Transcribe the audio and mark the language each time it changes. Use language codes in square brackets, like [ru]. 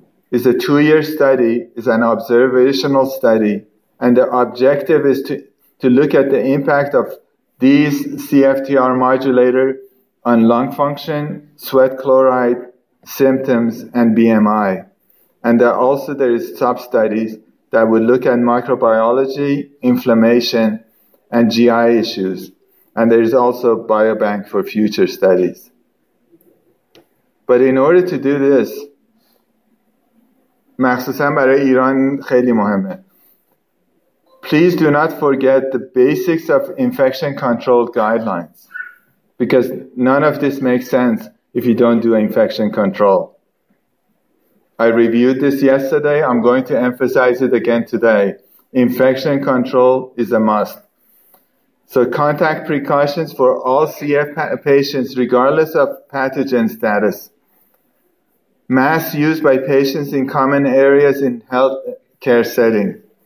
[en] It's a 2-year study, it's an observational study, and the objective is to look at the impact of these CFTR modulator on lung function, sweat chloride, symptoms, and BMI. And there is sub-studies that would look at microbiology, inflammation, and GI issues. And there is also a biobank for future studies. But in order to do this, [fa] مخصوصاً برای ایران خیلی مهمه. [en] Please do not forget the basics of infection control guidelines, because none of this makes sense if you don't do infection control. I reviewed this yesterday. I'm going to emphasize it again today. Infection control is a must. So contact precautions for all CF patients, regardless of pathogen status. Masks used by patients in common areas in health care setting.